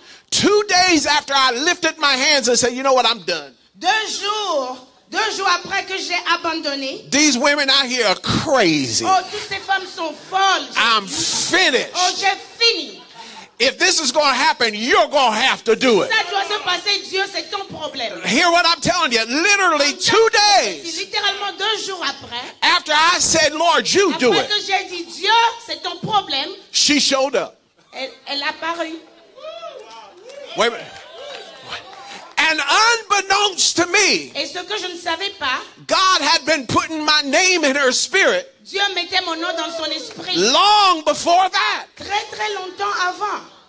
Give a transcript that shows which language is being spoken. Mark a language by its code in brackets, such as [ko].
[en] 2 days after I lifted my hands and said, "You know what? I'm done." [fr] Deux jours après que j'ai abandonné. [en] These women out here are crazy. [fr] Oh, toutes ces femmes sont folles. [en] I'm finished. [fr] Oh, j'ai fini. [en] If this is going to happen, you're going to have to do it. [fr] Ça doit se passer, Dieu, c'est ton problème. [en] Hear what I'm telling you. Literally, 2 days. [fr] Littéralement deux jours après. [en] After I said, "Lord, you do it." [fr] Après que j'ai dit, Dieu, c'est ton problème. [en] She showed up. [fr] Elle apparut. [en] Wait a minute. And unbeknownst to me, [fr] et ce que je ne savais pas, [en] God had been putting my name in her spirit. [fr] Dieu mettait mon nom dans son esprit. [en] Long before that. [fr] Très très longtemps avant.